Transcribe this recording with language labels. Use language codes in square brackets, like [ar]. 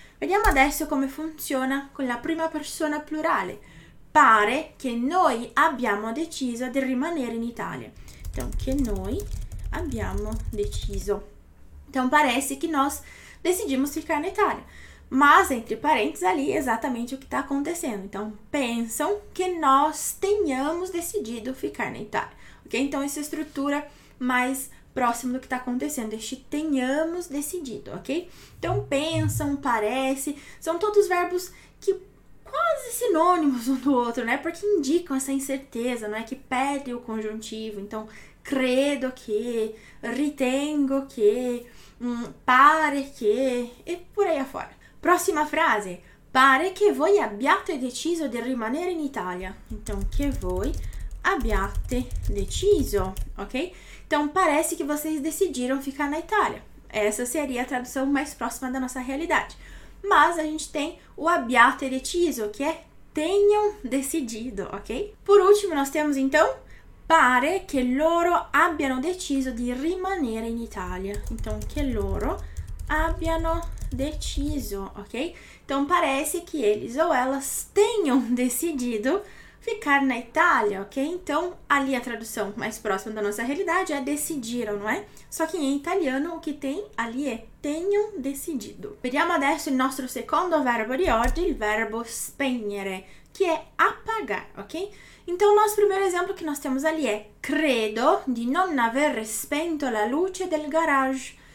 [it] Vediamo adesso come funziona con la prima persona plurale. Pare che noi abbiamo deciso di rimanere in Italia. [pt] Então, [it] che noi abbiamo deciso. [pt] Então, parece que nós decidimos ficar na Itália. Mas, entre parênteses, ali é exatamente o que está acontecendo. Então, pensam que nós tenhamos decidido ficar na Itália. Ok? Então, essa estrutura mais próxima do que está acontecendo, este tenhamos decidido, ok? Então, pensam, parece, são todos verbos que quase sinônimos um do outro, né? Porque indicam essa incerteza, não é? Que pedem o conjuntivo. Então, [it] credo que, ritengo que, pare che, [pt] e por aí afora. [it] Prossima frase. Pare che voi abbiate deciso di rimanere in Italia. [pt] Então, [it] che voi abbiate deciso, [pt] ok? Então, parece que vocês decidiram ficar na Itália. Essa seria a tradução mais próxima da nossa realidade. Mas a gente tem o [it] abbiate deciso, [pt] que é tenham decidido, ok? Por último, nós temos então: [it] pare che loro abbiano deciso di rimanere in Italia. [pt] Então, [it] che loro abbiano deciso, [pt] ok? Então, parece que eles ou elas tenham decidido ficar na Itália, ok? Então, ali a tradução mais próxima da nossa realidade é decidiram, não é? Só que em italiano o que tem ali é tenham decidido. [it] Vediamo adesso il nostro secondo verbo di oggi, il verbo spegnere, che è [pt] apagar, [it] ok? [pt] Então, o nosso primeiro [it] esempio che [pt] nós temos ali [it] è credo di non aver spento la luce del garage.